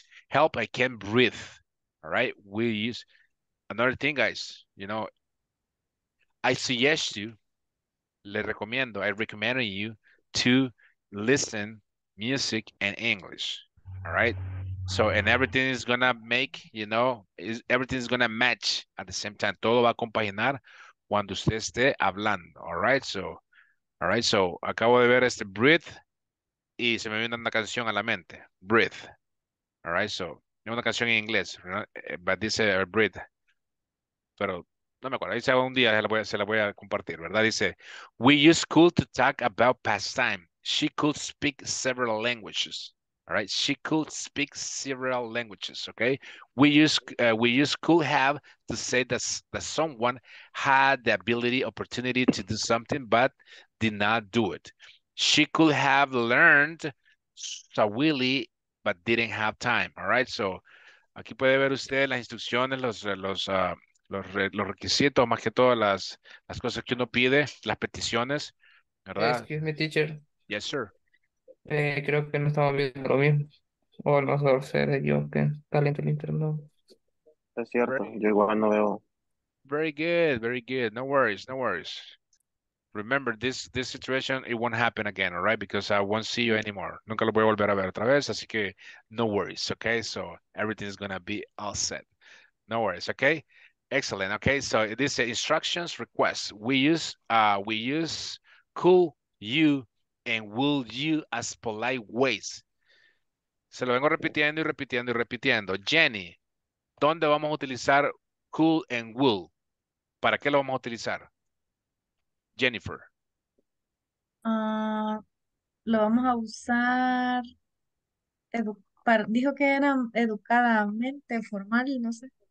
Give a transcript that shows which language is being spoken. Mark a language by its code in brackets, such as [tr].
[en] Help, I can breathe. All right. We use another thing, guys. You know, I suggest you, [es] le recomiendo, [en] I recommend you to listen music and English. All right. So, and everything is going to make, you know, everything is going to match at the same time. [es] Todo va a compaginar cuando usted esté hablando. [en] All right. So, all right, so [es] acabo de ver este breathe y se me viene una canción a la mente. Breathe. [en] All right, so [es] es una canción en inglés, but dice breathe. Pero no me acuerdo, ahí un día se la voy a compartir, ¿verdad? Dice, [en] we use cool to talk about past time. She could speak several languages. All right, she could speak several languages, okay? We use could have to say that someone had the ability, opportunity to do something, but did not do it. She could have learned Swahili, but didn't have time, all right? [es] So, aquí puede ver usted las instrucciones, los requisitos, más que todo las cosas que uno pide, las peticiones, ¿verdad? [en] Excuse me, teacher. Yes, sir. [es] Creo que no estamos viendo lo mismo. O a lo mejor seré yo que talento el internet. Es cierto, yo igual no veo. [en] Very good, very good. No worries, no worries. Remember, this situation, it won't happen again, all right? Because I won't see you anymore. [es] Nunca lo voy a volver a ver otra vez, así que [en] no worries, okay? So everything is going to be all set. No worries, okay? Excellent, okay? So this instructions, requests. We use cool you and will you as polite ways. [es] Se lo vengo repitiendo y repitiendo y repitiendo. Jenny, ¿dónde vamos a utilizar cool and will? ¿Para qué lo vamos a utilizar? Jennifer. Lo vamos a usar para, dijo que era educadamente formal y no sé.